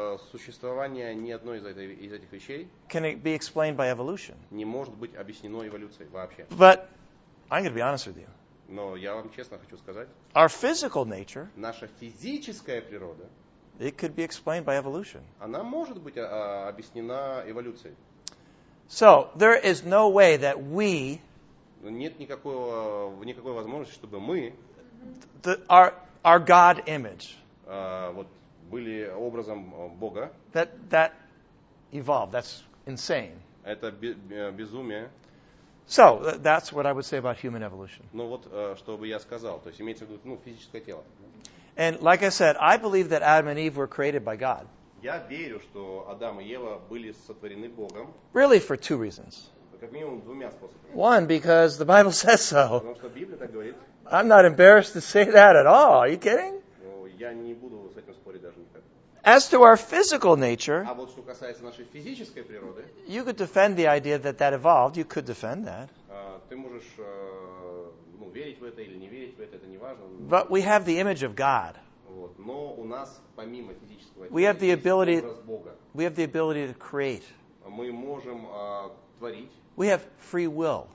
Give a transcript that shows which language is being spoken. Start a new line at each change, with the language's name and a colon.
Russian: Существование ни одной из этих вещей.
English: Can it be explained by evolution?
Russian: Не может быть объяснено эволюцией вообще.
English: But I'm going to be honest with you.
Russian: Но я вам честно хочу сказать.
English: Our physical nature.
Russian: Наша физическая природа.
English: It could be explained by evolution.
Russian: Она может быть объяснена эволюцией.
English: So there is no way that we.
Russian: Нет никакой возможности, чтобы мы.
English: Our God image.
Russian: Вот были образом Бога.
English: That evolved. That's insane.
Russian: Это безумие.
English: So that's what I would say about human evolution.
Russian: Ну вот что бы я сказал. То есть имеется в виду физическое тело.
English: And like I said, I believe that Adam and Eve were created by God.
Russian: Я верю, что Адам и Ева были сотворены Богом.
English: Really for two reasons.
Russian: Как минимум двумя способами.
English: One, because the Bible says so.
Russian: Потому что Библия так говорит.
English: I'm not embarrassed to say that at all. Are you kidding?
Russian: Ну, я не буду с этим спорить даже никак.
English: As to our physical nature.
Russian: А вот что касается нашей физической природы.
English: You could defend the idea that that evolved. You could defend that.
Russian: Ты можешь верить в это или не верить в это не важно.
English: But we have the image of God.
Russian: Вот. Но у нас помимо физического.
English: We have the ability. We have the ability to create.
Russian: Мы можем творить.
English: We have free will.